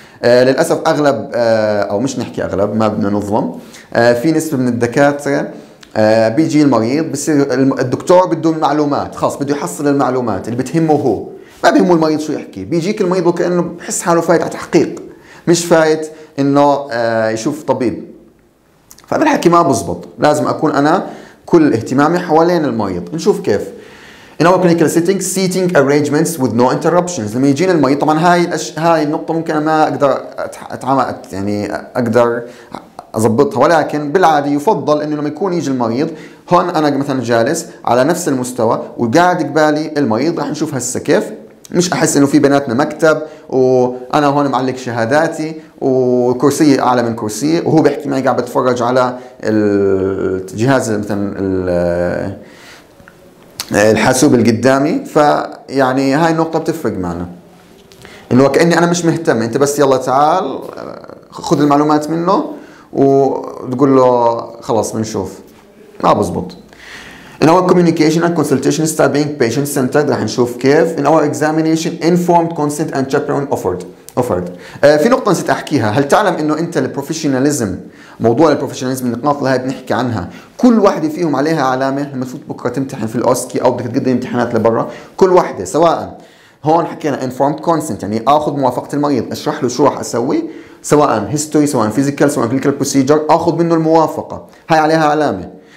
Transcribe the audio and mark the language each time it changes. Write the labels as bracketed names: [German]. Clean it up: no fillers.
[Arabic] للأسف أغلب أو مش نحكي أغلب، ما بدنا نظلم، في نسبة من الدكاترة بيجي المريض بصير الدكتور بده المعلومات، خاص بده يحصل المعلومات اللي بتهمه هو، ما بهمه المريض شو يحكي، بيجيك المريض وكأنه بحس حاله فايت على تحقيق، مش فايت إنه يشوف طبيب. فهذا الحكي ما بزبط، لازم أكون أنا كل اهتمامي حوالين المريض. نشوف كيف. [English] In our clinical settings, seating arrangements with no interruptions. [Arabic] لما يجينا المريض، طبعا هاي النقطة ممكن ما أقدر أتعامل، يعني أقدر أضبطها، ولكن بالعادي يفضل إنه لما يكون يجي المريض هون أنا مثلا جالس على نفس المستوى وقاعد قبالي المريض، راح نشوف هسه كيف، مش أحس إنه في بناتنا مكتب وأنا هون معلق شهاداتي وكرسي أعلى من كرسي وهو بيحكي معي قاعد بتفرج على الجهاز مثلا الحاسوب القدامي. فيعني هاي النقطة بتفرق معنا، إنه كأني أنا مش مهتم، أنت بس يلا تعال خذ المعلومات منه وتقول له خلاص بنشوف، ما بزبط. [English] In our communication and consultation start being patient centered، [Arabic] راح نشوف كيف. [English] In our examination informed consent and chaperone offered. [Arabic] في نقطة نسيت أحكيها، هل تعلم إنه أنت البروفيشناليزم، موضوع البروفيشناليزم النقاط اللي هاي بنحكي عنها كل واحدة فيهم عليها علامة، المفروض بكرة تمتحن في الأوسكي أو بدك تقدم امتحانات لبرا، كل واحدة سواء هون حكينا informed consent يعني آخذ موافقة المريض أشرح له شو راح أسوي، سواء history سواء physical سواء clinical procedure آخذ منه الموافقة، هاي عليها علامة.